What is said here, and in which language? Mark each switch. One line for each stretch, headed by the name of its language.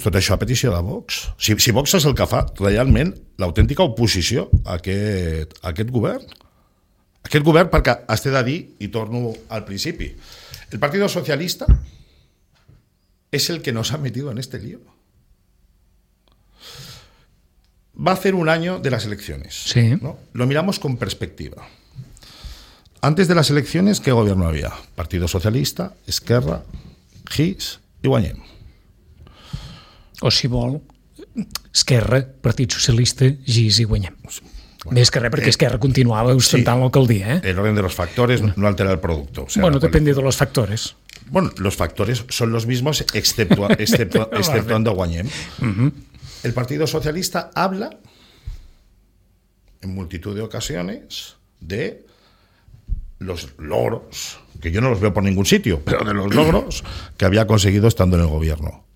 Catalan: Tot això a petició de Vox. Si Vox és el que fa realment l'autèntica oposició a aquest govern. Aquest govern, perquè es té de dir, i torno al principi, el Partit Socialista és el que
Spanish: nos ha metido en este lío. Va a hacer un año de las elecciones. Sí. ¿No? Lo miramos con perspectiva. Antes de las elecciones, ¿qué gobierno había? Partido Socialista, Esquerra, GIS i Guanyem.
Catalan: O si vol, Esquerra, Partit Socialista, GIS i Guanyem. Bueno, més que res, perquè Esquerra continuava ostentant l'alcaldia.
Spanish: El orden de los factores no altera el producto. O sea, bueno, depende de los factores. Bueno, los factores son los mismos exceptuando Guanyem. El Partido Socialista habla en multitud de ocasiones de los logros, que yo no los veo por ningún sitio, pero de los logros que había conseguido estando en el gobierno.